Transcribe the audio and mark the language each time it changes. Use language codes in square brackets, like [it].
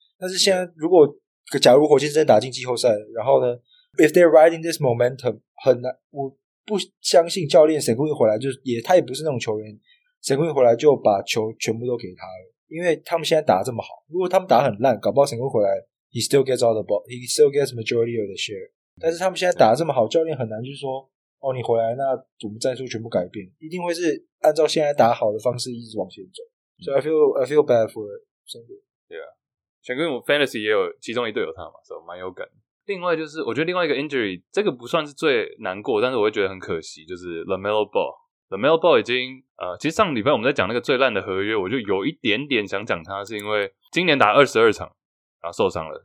[zh] 但是现在如果假如火箭真的打进季后赛，然后呢 ， [en] if they're riding this momentum， [zh] 很难，我不相信教练神顾一回来就也他也不是那种球员，神顾一回来就把球全部都给他了，因为他们现在打这么好，如果他们打很烂，搞不好神顾回来 [en] he still gets all the ball， he still gets majority of the share。 [zh] 但是他们现在打这么好，教练很难就是说。哦，你回来，那我们战术全部改变，一定会是按照现在打好的方式一直往前走。 [en] 所以 I feel bad for Sengun。 [zh] 对啊，Sengun Fantasy 也有其中一队有他嘛，所以蛮有感。另外就是，我觉得另外一个 injury， 这个不算是最难过，但是我会觉得很可惜，就是 LaMelo Ball。 LaMelo Ball 已经其实上礼拜我们在讲那个最烂的合约，我就有一点点想讲他，是因为今年打22场，然后受伤了。